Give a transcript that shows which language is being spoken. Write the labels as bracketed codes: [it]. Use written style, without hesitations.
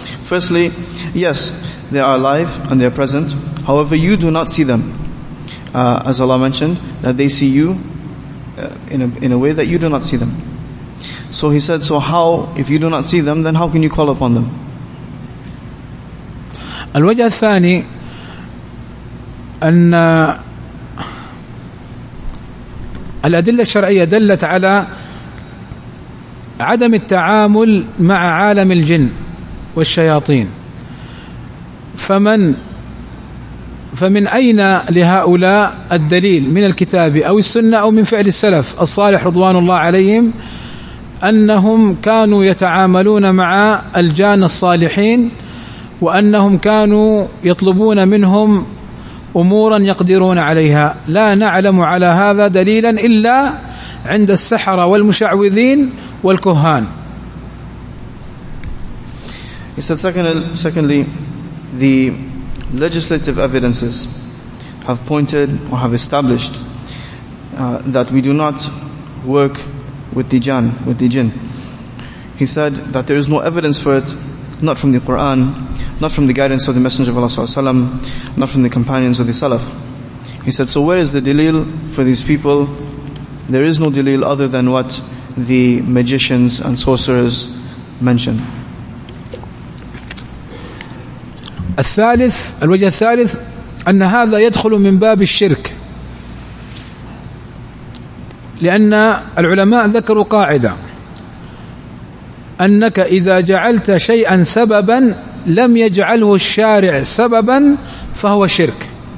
[en] Firstly, yes, they are alive and they are present. However, you do not see them. As Allah mentioned, that they see you in a way that you do not see them. So he said, so how, if you do not see them, then how can you call upon them? [ar] الوجه الثاني أن الأدلة الشرعية دلت على عدم التعامل مع عالم الجن والشياطين، فمن أين لهؤلاء الدليل من الكتاب أو السنة أو من فعل السلف الصالح رضوان الله عليهم أنهم كانوا يتعاملون مع الجان الصالحين وأنهم كانوا يطلبون منهم أمورا يقدرون عليها؟ لا نعلم على هذا دليلا إلا عند السحرة والمشعوذين والكهان. [en] He said, secondly, the legislative evidences have pointed or have established that we do not work with the jinn, He said that there is no evidence for it, not from the Quran, not from the guidance of the Messenger of Allah Sallallahu Alaihi Wasallam, not from the companions of the Salaf. He said, so where is the dalil for these people? There is no dalil other than what the magicians and sorcerers mention. [ar] الثالث الوجه الثالث أن هذا يدخل من باب الشرك، لأن العلماء ذكروا قاعدة أنك إذا جعلت شيئا سببا لم يجعله الشارع سببا فهو شرك.